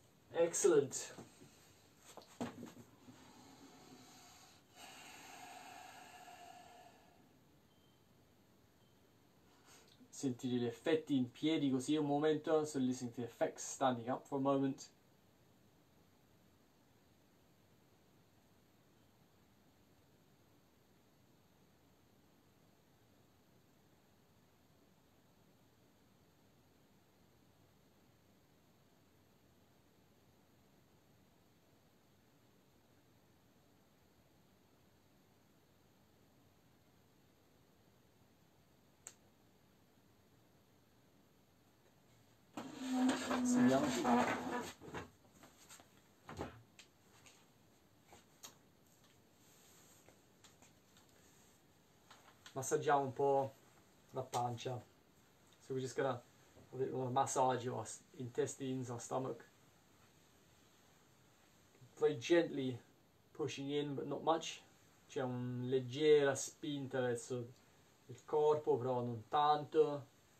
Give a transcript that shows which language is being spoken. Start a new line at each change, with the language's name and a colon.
English: Excellent.
Italian: Sentire gli effetti in piedi così un momento.
English: So listening to the effects standing up for a moment.
Italian: Massaggiamo un po' la pancia.
English: So we're just gonna massage your intestines, our stomach. Very gently pushing in, but not much.
Italian: C'è una leggera spinta verso il corpo, però non tanto.